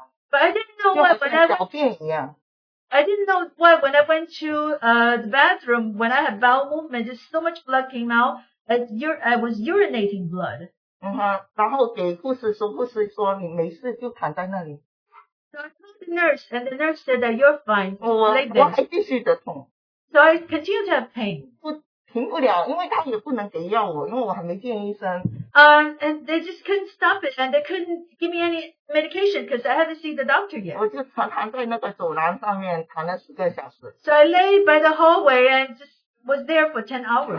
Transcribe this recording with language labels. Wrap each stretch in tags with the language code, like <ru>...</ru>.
<en>But I didn't know why when I went to the bathroom, when I had bowel movement, just so much blood came out, I was urinating blood.</en> <zh>然后给护士说,护士说你没事就躺在那里。</zh> <en>So I told the nurse, and the nurse said that you're fine. So I continue to have pain.</en> <zh>停不了，因为他也不能给药我，因为我还没见医生。</zh> <en>And they just couldn't stop it, and they couldn't give me any medication because I haven't seen the doctor yet.</en> <zh>我就躺在那个走廊上面躺了10个小时。</zh> <en>So I lay by the hallway and just was there for 10 hours.</en>